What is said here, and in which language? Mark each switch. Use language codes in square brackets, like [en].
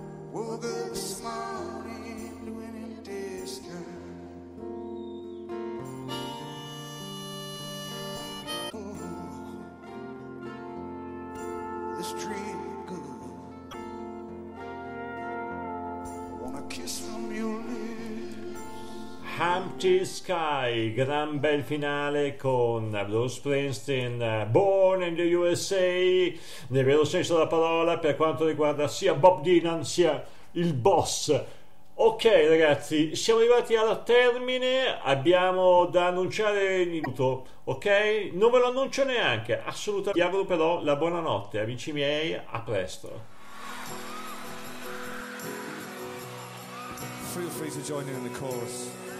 [en] Woke up this morning to an empty sky. Oh, this dream of good. Wanna kiss from your lips. [it] Empty sky, gran bel finale con Bruce Springsteen, Born in the USA, nel vero senso della parola, per quanto riguarda sia Bob Dylan sia il boss. Ok ragazzi, siamo arrivati al termine, abbiamo da annunciare il tutto, ok? Non ve lo annuncio neanche, assolutamente. Vi auguro però la buonanotte, amici miei, a presto. [en] Feel free to join in the chorus.